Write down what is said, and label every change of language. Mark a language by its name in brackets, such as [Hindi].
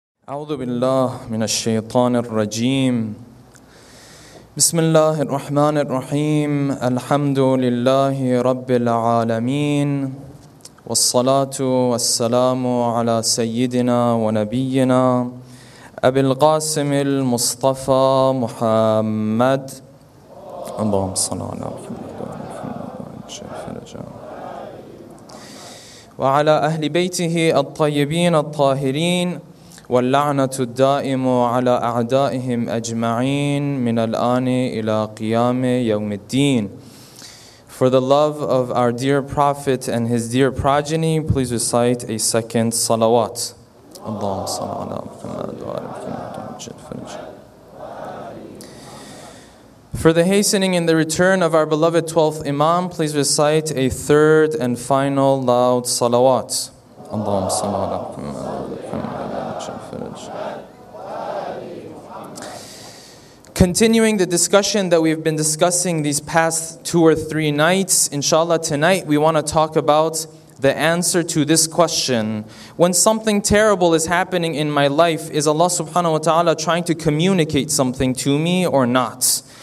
[Arabic] أعوذ بالله من الشيطان الرجيم بسم الله الرحمن الرحيم الحمد لله رب العالمين والصلاة والسلام على سيدنا ونبينا أبي القاسم المصطفى محمد اللهم صل على محمد وعلى شيخ الإسلام وعلى أهل بيته الطيبين الطاهرين واللعنة الدائمة على أعدائهم أجمعين من الآن إلى قيام يوم الدين. [English] For the love of our dear Prophet and his dear progeny, please recite a second salawat. [Arabic] اللهم صل على محمد وعلى محمد وعلى شيخ الإسلام. [English] For the hastening and the return of our beloved 12th Imam, please recite a third and final loud salawat. [Arabic] اللهم صل على محمد وعلى محمد وعلى شيخ الإسلام. [English] Continuing the discussion that we've been discussing these past two or three nights, inshallah, tonight we want to talk about the answer to this question. When something terrible is happening in my life, is Allah subhanahu wa ta'ala trying to communicate something to me or not?